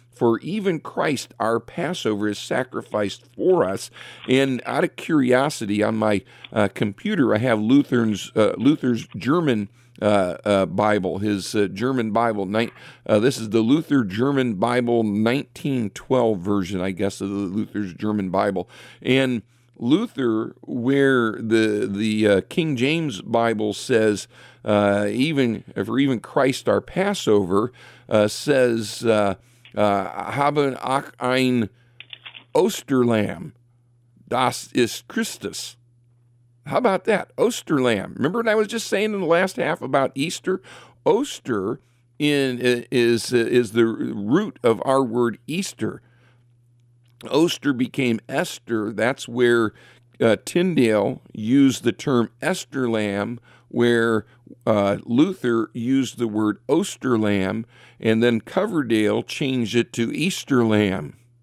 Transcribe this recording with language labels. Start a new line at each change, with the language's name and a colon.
English: For even Christ our Passover is sacrificed for us." And out of curiosity, on my computer, I have Luther's German Bible, his German Bible. This is the Luther German Bible 1912 version, I guess, of the Luther's German Bible. And Luther, where the King James Bible says, even Christ our Passover, says,
German: haben auch ein Osterlamm, das ist Christus.
English: How about that? Osterlamb. Remember what I was just saying in the last half about Easter? Oster is the root of our word Easter. Oster became Esther. That's where Tyndale used the term Esterlamb, where Luther used the word Osterlamb, and then Coverdale changed it to Easterlamb.